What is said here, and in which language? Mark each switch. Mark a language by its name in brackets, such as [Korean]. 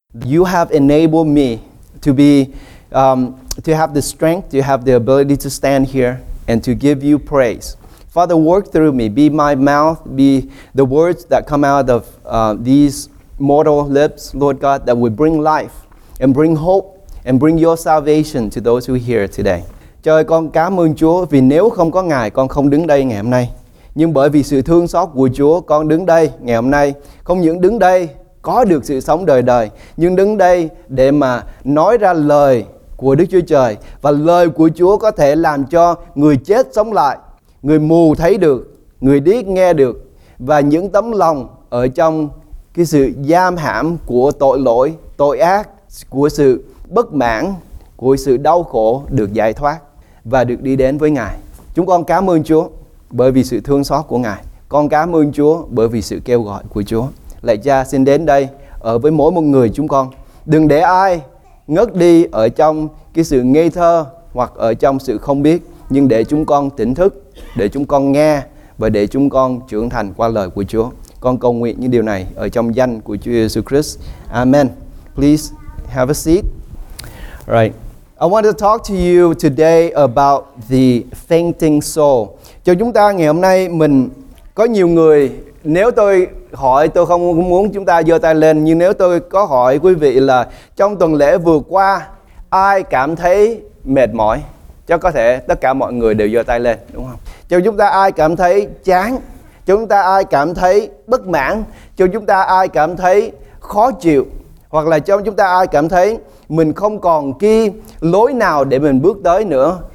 [English] You have enabled me to be to have the strength, to have the ability to stand here and to give you praise. Father, work through me. Be my mouth. Be the words that come out of these mortal lips, Lord God, that will bring life and bring hope and bring your salvation to those who are here today. [Vietnamese] Trời, con cảm ơn Chúa vì nếu không có Ngài, con không đứng đây ngày hôm nay. Nhưng bởi vì sự thương xót của Chúa, con đứng đây ngày hôm nay. Không những đứng đây có được sự sống đời đời, nhưng đứng đây để mà nói ra lời của Đức Chúa Trời. Và lời của Chúa có thể làm cho người chết sống lại, người mù thấy được, người điếc nghe được. Và những tấm lòng ở trong cái sự giam hãm của tội lỗi, tội ác, của sự bất mãn, của sự đau khổ được giải thoát và được đi đến với Ngài. Chúng con cảm ơn Chúa bởi vì sự thương xót của Ngài. Con cảm ơn Chúa bởi vì sự kêu gọi của Chúa. Lạy Cha, xin đến đây ở với mỗi một người chúng con. Đừng để ai ngất đi ở trong cái sự ngây thơ hoặc ở trong sự không biết, nhưng để chúng con tỉnh thức, để chúng con nghe và để chúng con trưởng thành qua lời của Chúa. Con cầu nguyện những điều này ở trong danh của Chúa Jesus Christ. [English] Amen. Please have a seat. Right. I want to talk to you today about the fainting soul. [Vietnamese] Cho chúng ta ngày hôm nay, mình có nhiều người, nếu tôi hỏi, tôi không muốn chúng ta giơ tay lên, nhưng nếu tôi có hỏi quý vị là trong tuần lễ vừa qua ai cảm thấy mệt mỏi, cho có thể tất cả mọi người đều giơ tay lên, đúng không? Cho chúng ta ai cảm thấy chán, chúng ta ai cảm thấy bất mãn, cho chúng ta ai cảm thấy khó chịu, hoặc là trong chúng ta ai cảm thấy mình không còn cái lối nào để mình bước tới nữa.